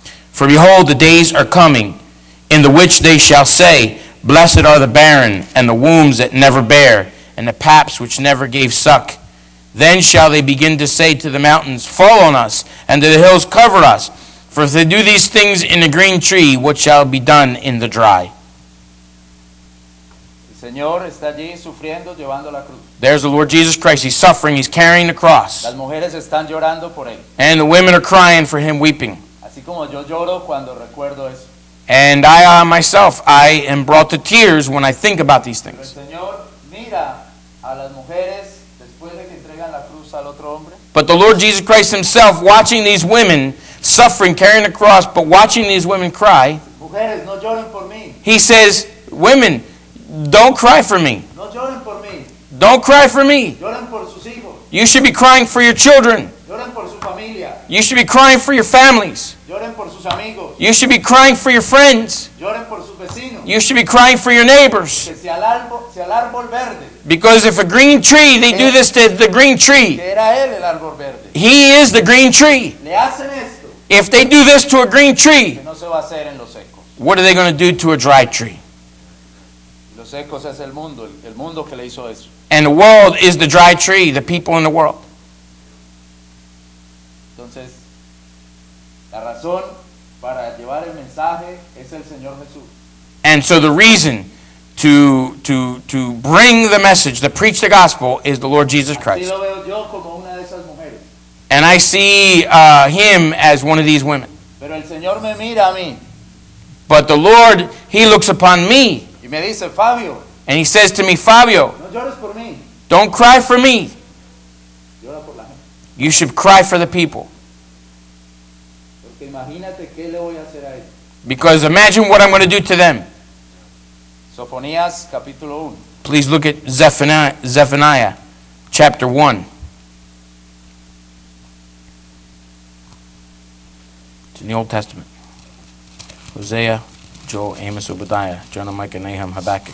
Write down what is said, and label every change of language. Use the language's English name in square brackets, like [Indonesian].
[English] For behold, the days are coming, in the which they shall say, Blessed are the barren, and the wombs that never bear, and the paps which never gave suck. Then shall they begin to say to the mountains, Fall on us, and to the hills, cover us. For if they do these things in the green tree, what shall be done in the dry? [Spanish] El Señor está allí sufriendo, llevando la cruz. [English] There's the Lord Jesus Christ. He's suffering. He's carrying the cross. [Spanish] Las mujeres están llorando por él. [English] And the women are crying for him, weeping. [Spanish] Como yo lloro cuando recuerdo eso. [English] And I myself, I am brought to tears when I think about these things. But the Lord Jesus Christ himself, watching these women suffering, carrying a cross, but watching these women cry, [Spanish] mujeres, no lloren por mí. [English] He says, women, don't cry for me. [Spanish] No lloren por mí. [English] Don't cry for me. [Spanish] Lloren por sus hijos. [English] You should be crying for your children. [Spanish] Lloren por su familia. [English] You should be crying for your families. [Spanish] Lloren por sus amigos. [English] You should be crying for your friends. [Spanish] Lloren por sus vecinos. [English] You should be crying for your neighbors. [Spanish] Que si al árbol, si al árbol verde. [English] Because if a green tree, they do this to the green tree. [Spanish] Que era él el árbol verde. [English] He is the green tree. [Spanish] Le hacen esto. [English] If they do this to a green tree, [Spanish] que no se va a hacer en los secos. [English] What are they going to do to a dry tree? [Spanish] Los secos es el mundo que le hizo eso. [English] And the world is the dry tree, the people in the world. [Spanish] Entonces, la razón para llevar el mensaje es el Señor Jesús. [English] And so the reason to bring the message, to preach the gospel, is the Lord Jesus Christ. [Spanish] Así lo veo yo como una de esas mujeres. [English] And I see him as one of these women. [Spanish] Pero el Señor me mira a mí. [English] But the Lord, he looks upon me. [Spanish] Y me dice, Fabio. [English] And he says to me, Fabio, [Spanish] no llores por mí. [English] Don't cry for me. [Spanish] Llora por la gente. [English] You should cry for the people. [Spanish] Porque imagínate qué le voy a hacer a él. [English] Because imagine what I'm going to do to them. [Spanish] Sofonías, capítulo 1. [English] Please look at Zephaniah, chapter 1. It's in the Old Testament. Hosea, Joel, Amos, Obadiah, Jonah, Micah, Nahum, Habakkuk.